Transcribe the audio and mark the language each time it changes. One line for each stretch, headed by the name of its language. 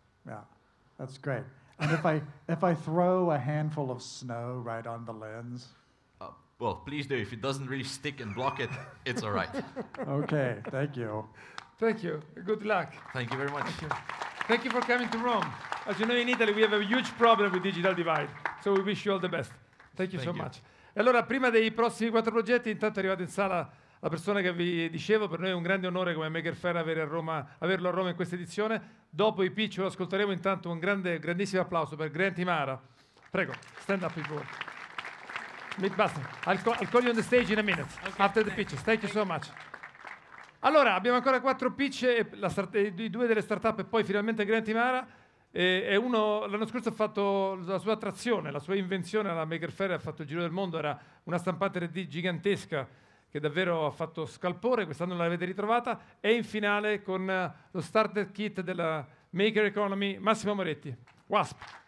English: Yeah, that's great. And if I throw a handful of snow right on the lens? Well, please do. If it doesn't really stick and block it, it's all right. Okay, thank you. Thank you. Good luck. Thank you very much. Thank you for coming to Rome. As you know, in Italy we have a huge problem with digital divide, so we wish you all the best. Thank you so much.
Italian: E allora, prima dei prossimi quattro progetti, intanto è arrivata in sala la persona che vi dicevo, per noi è un grande onore come Maker Faire averlo a Roma in questa edizione. Dopo i pitch lo ascolteremo, intanto un grandissimo applauso per Grant Imara. Prego,
English: stand up people. I'll call you on the stage in a minute, okay, after the pitch. Thank you so much.
Italian: Allora, abbiamo ancora quattro pitch, e due delle startup e poi finalmente Grant Imara. E uno l'anno scorso ha fatto la sua attrazione, la sua invenzione alla Maker Faire, ha fatto il giro del mondo, era una stampante 3D gigantesca che davvero ha fatto scalpore, quest'anno l'avete ritrovata, e in finale con lo starter kit della Maker Economy, Massimo Moretti, WASP.